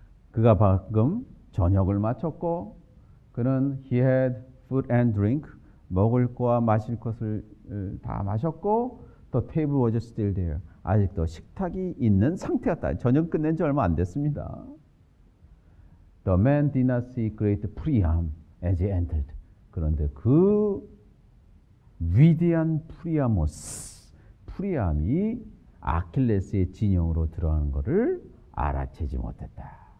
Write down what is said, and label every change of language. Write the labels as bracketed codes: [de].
[ko] 그가 방금 저녁을 마쳤고 그는 [en] he had food and drink [ko] 먹을 거와 마실 것을 다 마셨고 [en] the table was still there [ko] 아직도 식탁이 있는 상태였다. 저녁 끝낸 지 얼마 안 됐습니다. [en] The man did not see great Priam as he entered. [ko] 그런데 그 위대한 프리아모스, 프리암이 아킬레스의 진영으로 들어가는 것을 알아채지 못했다.